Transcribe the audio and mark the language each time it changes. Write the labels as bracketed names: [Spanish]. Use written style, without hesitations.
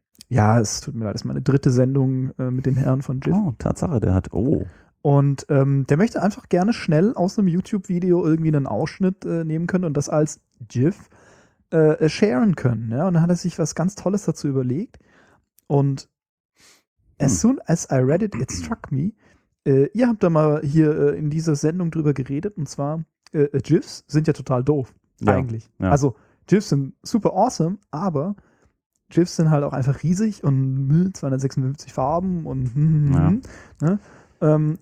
[German] Ja, es tut mir leid, das ist meine dritte Sendung mit den Herren von GIF. Oh, Tatsache, der hat, oh. Und der möchte einfach gerne schnell aus einem YouTube-Video irgendwie einen Ausschnitt nehmen können und das als GIF sharen können. Ja? Und dann hat er sich was ganz Tolles dazu überlegt. [English] Und as soon as I read it, it struck me. [German] Ihr habt da mal hier in dieser Sendung drüber geredet und zwar GIFs sind ja total doof, ja, eigentlich. Ja. Also GIFs sind super awesome, aber GIFs sind halt auch einfach riesig und 256 Farben und ja. Ne?